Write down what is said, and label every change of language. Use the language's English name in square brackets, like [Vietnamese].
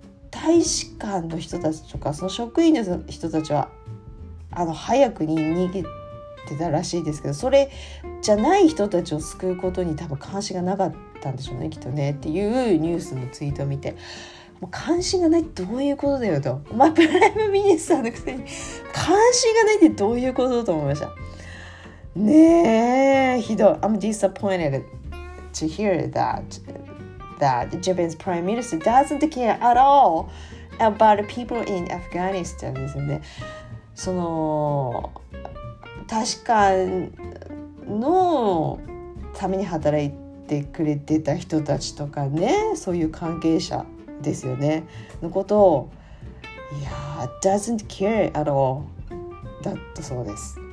[Japanese] 大使館の人たちとかその職員の人たちはあの早くに逃げて出たらしいですけど、それじゃない人たちを救うことに多分関心がなかったんでしょうね、きっとね、っていうニュースのツイートを見て、もう関心がないってどういうことだよと、まあプライムミニスターのくせに関心がないってどういうことだと思いました。ねえ、ひどい。 [English] I'm disappointed to hear that Japan's prime minister doesn't care at all about people in Afghanistan [Japanese] ですね。その大使館のために働いってくれてた人たちとかね、そういう関係者ですよねのことを、いや [English] doesn't care at all [Japanese] だとそうです。